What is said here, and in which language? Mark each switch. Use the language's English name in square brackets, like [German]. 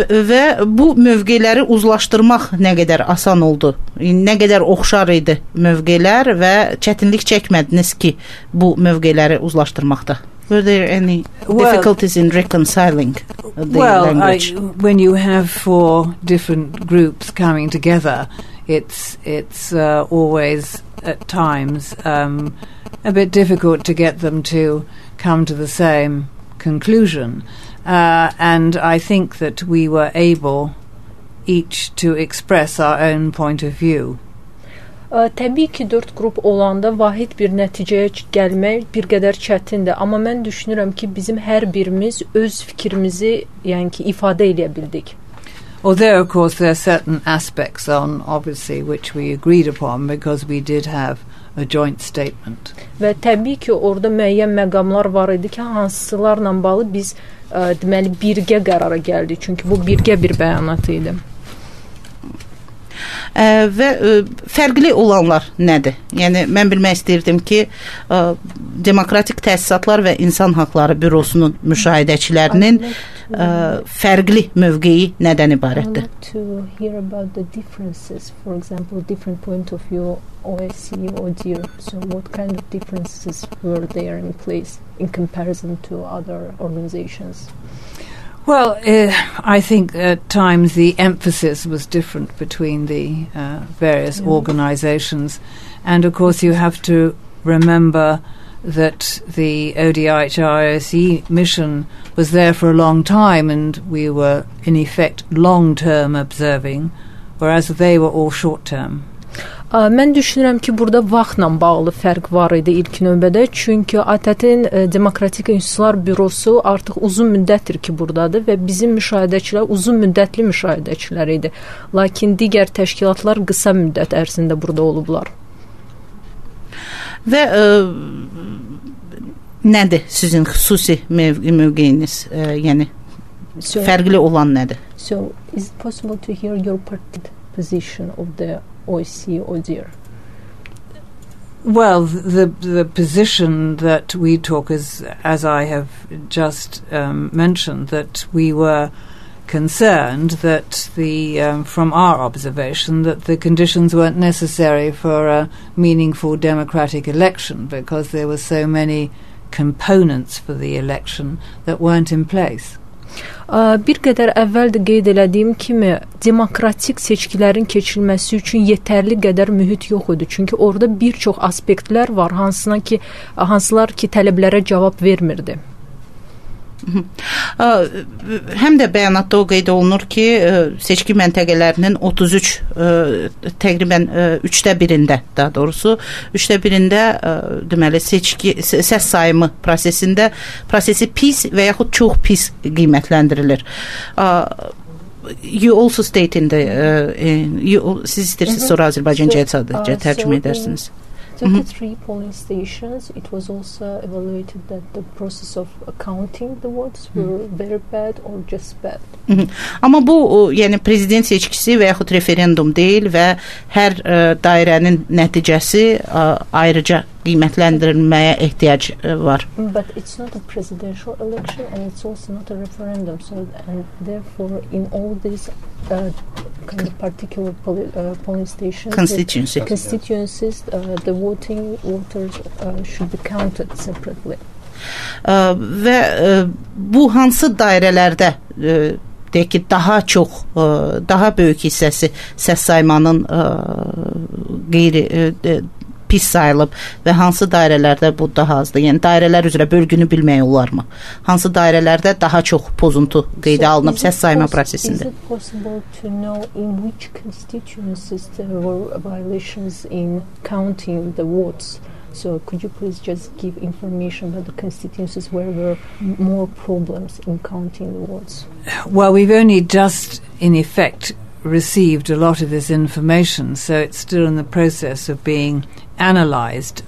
[Azerbaijani] Və bu mövqeləri uzlaşdırmaq nə qədər asan oldu, nə qədər oxşar idi mövqelər və çətinlik çəkmədiniz ki, bu mövqeləri uzlaşdırmaqda? [English] Were there any difficulties in reconciling the language? When you have four different groups coming together, it's always at times a bit difficult to get them to come to the same conclusion. And I think that we were able each to express our own point of view. [Azerbaijani] Təbii ki, dörd qrup olanda vahid bir nəticəyə gəlmək bir qədər çətindir. Amma mən düşünürəm ki, bizim hər birimiz öz fikrimizi yəni ki, ifadə edə bildik. [English] Although, of course, there are certain aspects on, obviously, which we agreed upon because we did have a joint statement. [Azerbaijani] Və təbii ki, orada müəyyən məqamlar var idi ki, hansılarla bağlı biz, deməli, birgə qərara gəldik. Çünki bu birgə bir bəyanat idi. Və fərqli olanlar nədir? Yəni, mən bilmək istəyirdim ki, Demokratik Təhsilatlar və İnsan Haqları Bürosunun müşahidəçilərinin fərqli mövqeyi nədən ibarətdir? [English] I'd like to hear about the differences, for example, different point of view, OSCE or DEAR. So what kind of differences were there in place in comparison to other organizations? Well, I think at times the emphasis was different between the various organizations. And, of course, you have to remember that the ODIHR-OSCE mission was there for a long time and we were, in effect, long-term observing, whereas they were all short-term. [Azerbaijani] Mən düşünürəm ki, burada vaxtla bağlı fərq var idi ilk növbədə, çünki ATƏT-in Demokratik İnstitutlar Bürosu artıq uzun müddətdir ki, buradadır və bizim müşahidəçilər uzun müddətli müşahidəçilər idi. Lakin digər təşkilatlar qısa müddət ərzində burada olublar. Və Nədir sizin xüsusi mövqeyiniz, yəni [English] so, [Azerbaijani] fərqli olan nədir? [English] So, is it possible to hear your position of the OIC ODIHR? Well, the position that we took is, as I have just mentioned, that we were concerned that the from our observation that the conditions weren't necessary for a meaningful democratic election because there were so many components for the election that weren't in place. [Azerbaijani] Bir qədər əvvəl də qeyd elədiyim kimi, demokratik seçkilərin keçirilməsi üçün yetərli qədər mühit yox idi. Çünki orada bir çox aspektlər var, hansılar ki, tələblərə cavab vermirdi. Həm də bəyanatda o qeyd olunur ki, seçki məntəqələrinin 33, təqribən 3-də 1-də, daha doğrusu, 3-də 1-də deməli, seçki, səs sayımı prosesində prosesi pis və yaxud çox pis qiymətləndirilir. [English] You also state in the, [Azerbaijani] siz istəyirsiniz, sonra Azərbaycanca tərcümə edərsiniz. [English] 33 polling stations, it was also evaluated that the process of counting the votes were very bad or just bad. [Azerbaijani] Amma bu, yəni prezident seçkisi və yaxud referendum deyil və hər dairənin nəticəsi ayrıca qiymətləndirilməyə ehtiyac var. [English] But it's not a presidential election and it's also not a referendum. So, and therefore, in all these kind of particular polling stations, constituencies, the voters should be counted separately. [Azerbaijani] Və bu hansı dairələrdə deyək ki, daha çox, daha böyük hissəsi səs saymanın qeyri pis sayılıb və hansı dairələrdə bu daha azdır? Yəni, dairələr üzrə bölgünü bilmək olarmı? Hansı dairələrdə daha çox pozuntu qeydə alınıb səs sayma prosesində? [English] Is it possible to know in which constituencies there were violations in counting the votes? So, could you please just give information about the constituencies where there were more problems in counting the votes? Well, we've only just, in effect, received a lot of this information, so it's still in the process of being analyzed.